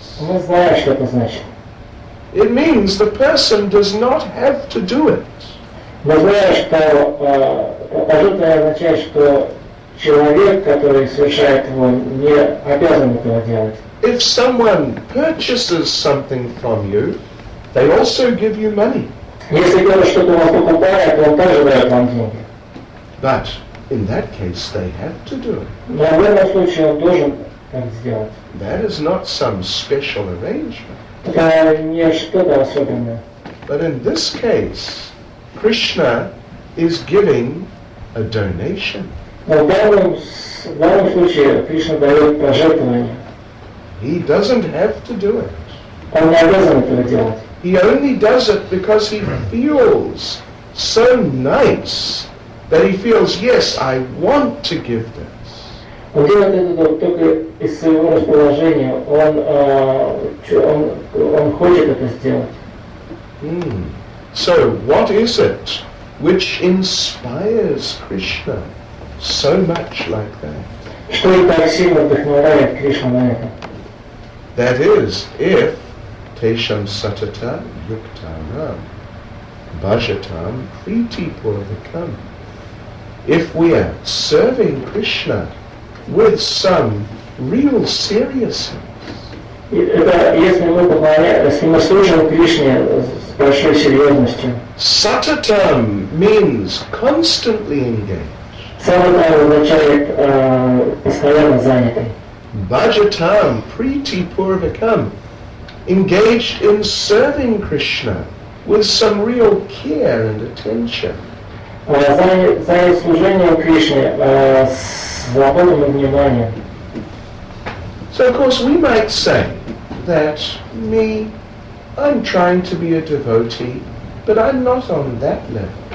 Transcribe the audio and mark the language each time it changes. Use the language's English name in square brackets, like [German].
[English] It means the person does not have to do it. [Russian] Человек, который совершает его, не обязан этого делать. [English] If someone purchases something from you, they also give you money. [Russian] Если кто-то что-то у вас покупает, он тоже дает вам деньги. [English] But in that case, they have to do it. [Russian] Но в этом случае он должен так сделать. [English] That is not some special arrangement. [Russian] Это не что-то особенное. [English] But in this case, Krishna is giving a donation. [Russian] Но в данном случае Кришна дает пожертвование. [English] He doesn't have to do it. [Russian] Он не обязан этого делать. [English] He only does it because he feels so nice that he feels, yes, I want to give this. [Russian] Он делает это только из своего расположения. Он хочет это сделать. [English] So what is it which inspires Krishna so much like that? [Russian] Что и так сильно вдохновляет Кришну на это? [English] That is, if [Sanskrit] Tesham Satata Yuktana Bhajatam Priti Purvakam, [English] if we are serving Krishna with some real seriousness. [Russian] Если мы служим Кришне с большой серьезностью. [English] Satatam means constantly engaged. [Russian] Саватам означает постоянно занятый. [Sanskrit] Баджатам, прити пурвакам, [English] engaged in serving Krishna with some real care and attention. [Russian] Занят служением Кришне с заботой и вниманием. [English] So of course we might say that me, I'm trying to be a devotee, but I'm not on that level.